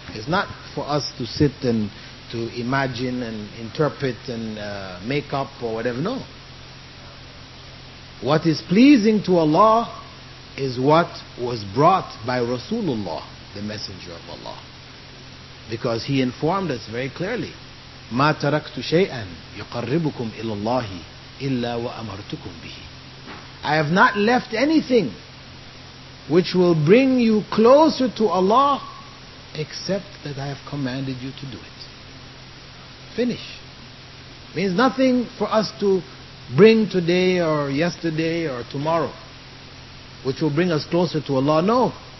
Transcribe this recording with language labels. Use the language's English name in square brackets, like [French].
[English] It's not for us to sit and to imagine and interpret and make up or whatever, no. What is pleasing to Allah is what was brought by Rasulullah, the Messenger of Allah. Because he informed us very clearly, [Arabic] مَا تَرَكْتُ شَيْئًا يُقَرِّبُكُمْ إِلَى اللَّهِ إِلَّا وَأَمَرْتُكُمْ بِهِ. [English] I have not left anything which will bring you closer to Allah except that I have commanded you to do it. Finish. Means nothing for us to bring today or yesterday or tomorrow which will bring us closer to Allah. No.